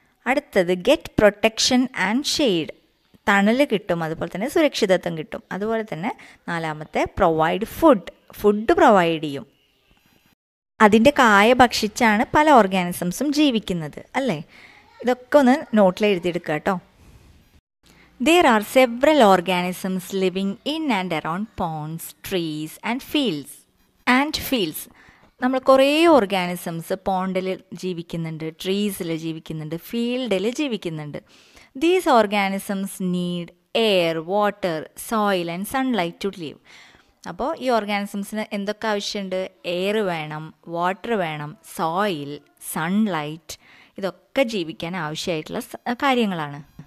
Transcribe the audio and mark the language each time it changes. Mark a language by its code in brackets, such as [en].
[ml] അടുത്തത് [en] get protection and shade, [ml] തണൽ കിട്ടും, അതുപോലെ തന്നെ സുരക്ഷിതത്വം കിട്ടും. അതുപോലെ തന്നെ നാലാമത്തെ പ്രൊവൈഡ് ഫുഡ്, ഫുഡ് പ്രൊവൈഡ് ചെയ്യും. അതിൻ്റെ കായ ഭക്ഷിച്ചാണ് പല ഓർഗാനിസംസും ജീവിക്കുന്നത് അല്ലേ. ഇതൊക്കെ ഒന്ന് നോട്ടിൽ എഴുതിയെടുക്കുക കേട്ടോ. [en] There are several organisms living in and around ponds, trees and fields. [ml] നമ്മൾ കുറേ ഓർഗാനിസംസ് പോണ്ടിൽ ജീവിക്കുന്നുണ്ട്, ട്രീസിൽ ജീവിക്കുന്നുണ്ട്, ഫീൽഡിൽ ജീവിക്കുന്നുണ്ട്. [en] These organisms need air, water, soil and sunlight to live. [ml] അപ്പോൾ ഈ ഓർഗാനിസംസിന് എന്തൊക്കെ ആവശ്യമുണ്ട്? എയർ വേണം, വാട്ടർ വേണം, സോയിൽ, സൺലൈറ്റ്, ഇതൊക്കെ ജീവിക്കാൻ ആവശ്യമായിട്ടുള്ള കാര്യങ്ങളാണ്.